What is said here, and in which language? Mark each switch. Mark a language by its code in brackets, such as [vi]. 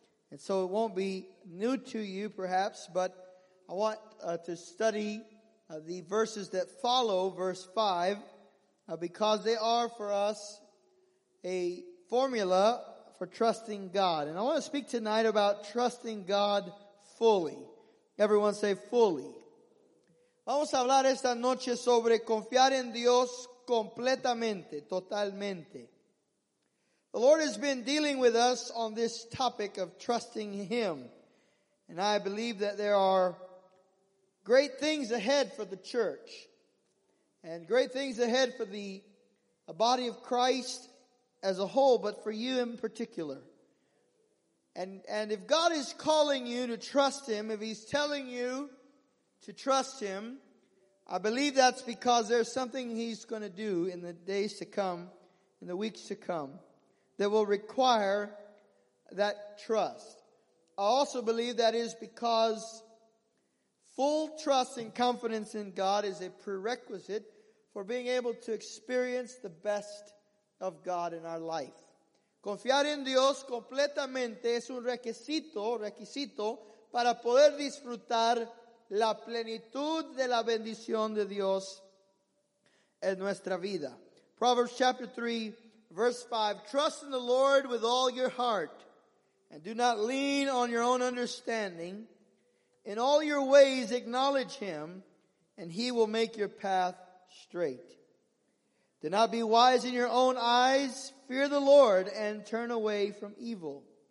[en] And so it won't be new to you perhaps, but I want to study the verses that follow verse 5 because they are for us a formula for trusting God. And I want to speak tonight about trusting God fully. Everyone say fully. [es] Vamos a hablar esta noche sobre confiar en Dios completamente, totalmente. [en] The Lord has been dealing with us on this topic of trusting Him. And I believe that there are great things ahead for the church. And great things ahead for the body of Christ as a whole, but for you in particular. And if God is calling you to trust Him, if He's telling you to trust Him, I believe that's because there's something He's going to do in the days to come, in the weeks to come, that will require that trust. I also believe that is because full trust and confidence in God is a prerequisite for being able to experience the best of God in our life. [es] Confiar en Dios completamente es un requisito para poder disfrutar la plenitud de la bendición de Dios en nuestra vida. [en] Proverbs chapter 3, verse 5. Trust in the Lord with all your heart and do not lean on your own understanding. In all your ways acknowledge Him and He will make your path straight. Do not be wise in your own eyes. Fear the Lord and turn away from evil.